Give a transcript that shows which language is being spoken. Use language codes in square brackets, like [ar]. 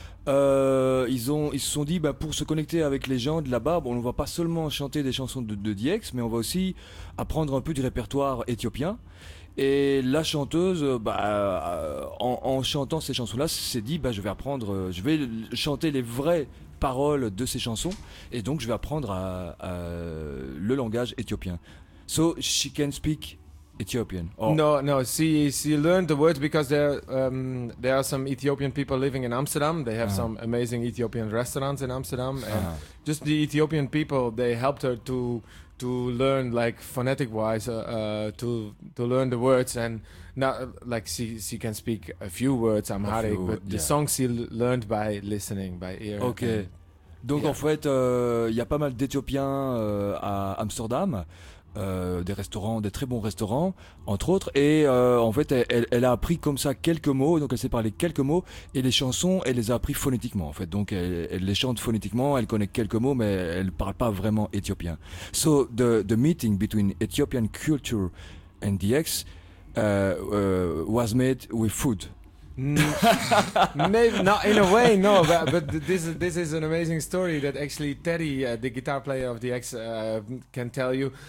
[fr] Ils se sont dit pour se connecter avec les gens de là-bas, bon, on ne va pas seulement chanter des chansons de DX, mais on va aussi apprendre un peu du répertoire éthiopien. Et la chanteuse, en chantant ces chansons-là, s'est dit je vais chanter les vraies paroles de ces chansons, et donc je vais apprendre à le langage éthiopien. [en] So she can speak Ethiopian. No. She learned the words because there are some Ethiopian people living in Amsterdam. They have some amazing Ethiopian restaurants in Amsterdam, and just the Ethiopian people, they helped her to learn like phonetic wise to learn the words, and now like she can speak a few words Amharic, but the songs she learned by listening, by ear. Okay. [fr] Donc en fait, il y a pas mal d'Éthiopiens à Amsterdam. Des restaurants, des très bons restaurants, entre autres. Et en fait, elle a appris comme ça quelques mots, donc elle sait parler quelques mots, et les chansons, elle les a appris phonétiquement, en fait. Donc elle les chante phonétiquement, elle connaît quelques mots, mais elle ne parle pas vraiment éthiopien. [en] So, the meeting between Ethiopian culture and DX was made with food. Maybe not in a way, no, but this is an amazing story that actually Teddy, the guitar player of the X, can tell you.